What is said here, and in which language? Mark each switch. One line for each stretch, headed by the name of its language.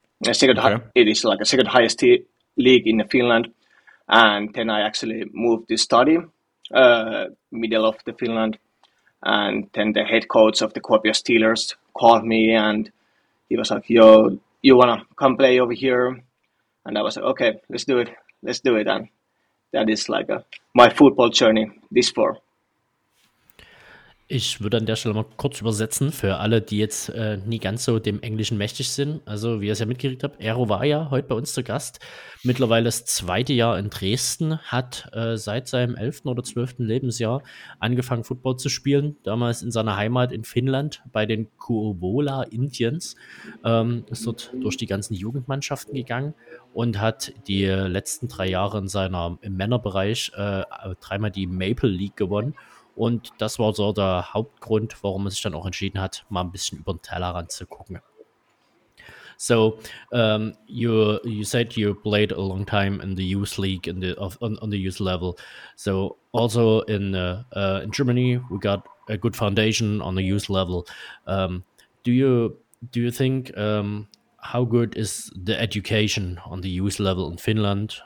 English: It is like a second highest league in Finland, and then I actually moved to study middle of the Finland. And then the head coach of the Kuopio Steelers called me and he was like, yo, you want to come play over here? And I was like, okay, let's do it. And that is like my football journey this far.
German: Ich würde an der Stelle mal kurz übersetzen für alle, die jetzt nie ganz so dem Englischen mächtig sind. Also wie ihr es ja mitgekriegt habt, Aero war ja heute bei uns zu Gast. Mittlerweile das zweite Jahr in Dresden, hat seit seinem 11. oder 12. Lebensjahr angefangen, Football zu spielen. Damals in seiner Heimat in Finnland bei den Kouvola Indians. Ist dort durch die ganzen Jugendmannschaften gegangen und hat die letzten 3 Jahre im Männerbereich 3-mal die Maple League gewonnen. Und das war so der Hauptgrund, warum er sich dann auch entschieden hat, mal ein bisschen über den Tellerrand zu gucken.
English: So, you said you played a long time in the youth league on the youth level. So also in Germany, we got a good foundation on the youth level. Do you think how good is the education on the youth level in Finland?